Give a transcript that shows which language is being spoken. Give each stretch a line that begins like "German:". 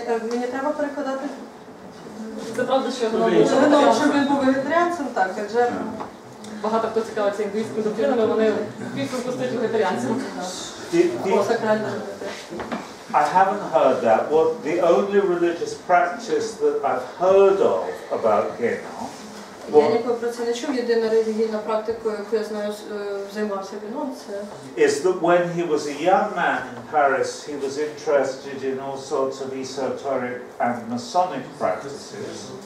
Ukrainian: Мені треба перекладати. Це правда, що він був вегетаріанцем, так, адже багато хто цікавиться індуїстськими доктринами, вони пісно пустують вегетаріанцям.
English: I haven't heard that. What the only religious practice that I've heard of about Генон...
Ukrainian: Я ніколи про це не чув. Єдина релігійна практика, яку я знаю, займався Генон, це...
English: Is that when he was a young man in Paris, he was interested in all sorts of esoteric and Masonic practices.